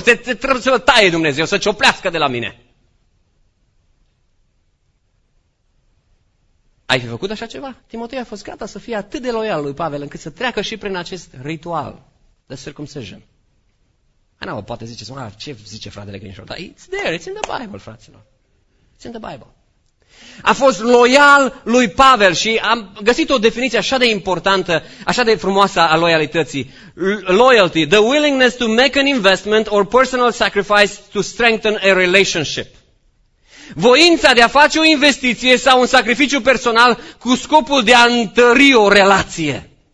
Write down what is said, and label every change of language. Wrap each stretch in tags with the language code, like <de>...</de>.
<ro>Trebuie să taie Dumnezeu, să cioplească de la mine. Ai fi făcut așa ceva? Timotei a fost gata să fie atât de loial lui Pavel încât să treacă și prin acest ritual de circumcision. Ana, poate ziceți, ce zice fratele Grinșor? Dar</ro> <en>it's there, it's in the Bible,</en> <ro>fraților.</ro> <en>It's in the Bible.</en> <ro>A fost loial lui Pavel și am găsit o definiție așa de importantă, așa de frumoasă a loialității.</ro> <en>Loyalty, the willingness to make an investment or personal sacrifice to strengthen a relationship.</en> <ro>Voința de a face o investiție sau un sacrificiu personal cu scopul de a întări o relație.</ro>